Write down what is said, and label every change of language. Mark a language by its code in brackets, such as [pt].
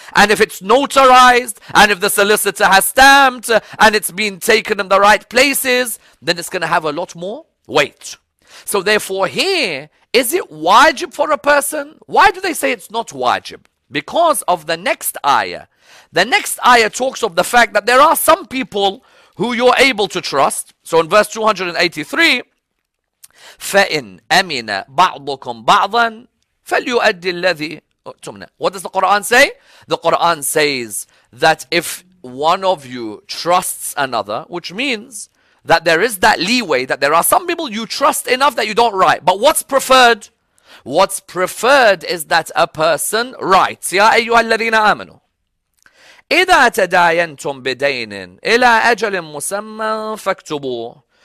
[en] And if it's notarized, and if the solicitor has stamped, and it's been taken in the right places, then it's going to have a lot more weight. So therefore here, is it wajib for a person? Why do they say it's not wajib? Because of the next ayah. The next ayah talks of the fact that there are some people who you're able to trust. So in verse 283, [ar] فَإِنْ أَمِنَ بَعْضُكُمْ بَعْضًا فَلْيُؤَدِّ الَّذِي أُؤْتُمْنَ. [en] What does the Quran say? The Quran says that if one of you trusts another, which means that there is that leeway, that there are some people you trust enough that you don't write. But what's preferred? What's preferred is that a person writes. [ar] يَا أَيُّهَا الَّذِينَ آمَنُوا إِذَا تَدَايَنْتُمْ بِدَيْنٍ إِلَىٰ أَجَلٍ مُسَمًّا فَاكْتُبُوهُ.